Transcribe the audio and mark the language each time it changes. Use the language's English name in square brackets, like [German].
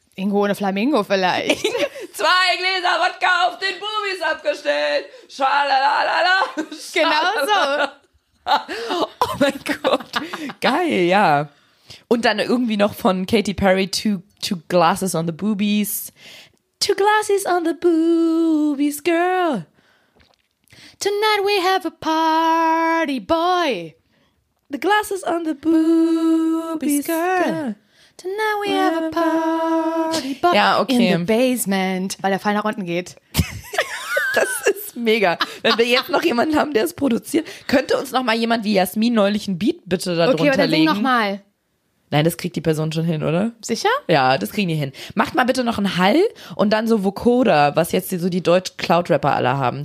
[German] Ingo ohne Flamingo vielleicht. 2 Gläser Wodka auf den Boobies abgestellt. Schalalala. Genau so. Oh mein Gott. Geil, ja. Und dann irgendwie noch von Katy Perry, 2 Glasses on the Boobies. [English] 2 glasses on the boobies, girl. Tonight we have a party, boy. The glasses on the boobies, girl. Tonight we have a party, boy. [German] Ja, [English] okay. In the basement. [German] Weil der Fall nach unten geht. Das ist mega. Wenn wir jetzt noch jemanden haben, der es produziert, könnte uns noch mal jemand wie Jasmin neulich ein Beat bitte darunter legen? Okay, sing noch mal. Nein, das kriegt die Person schon hin, oder? Sicher? Ja, das kriegen die hin. Macht mal bitte noch einen Hall und dann so Vocoder, was jetzt so die Deutsch-Cloud-Rapper alle haben.